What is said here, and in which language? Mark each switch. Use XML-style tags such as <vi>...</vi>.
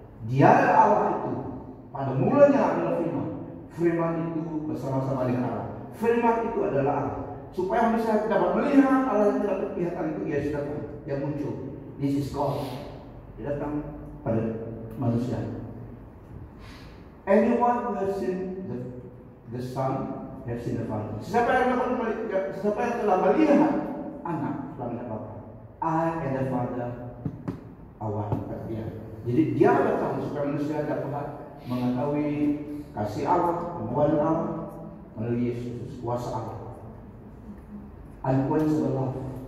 <id>Dia Allah itu pada mulanya adalah Firman. Firman itu bersama-sama dengan Allah. Firman itu adalah Allah. Supaya manusia dapat melihat Allah yang tidak kelihatan itu, dia sudah yang muncul.</id> <en>This is God.</en> <id>Dia datang pada manusia.</id> <en>Anyone who has seen the Son has seen the Father.</en> <id>Siapa yang telah melihat Anak telah melihat Bapa.</id> <en>I and the Father</en> <id>awal katanya. Jadi dia datang supaya manusia dapat mengetahui kasih Allah, kemuliaan Allah melalui Yesus, kuasa Allah.</id> <en>Unquenchable love.</en>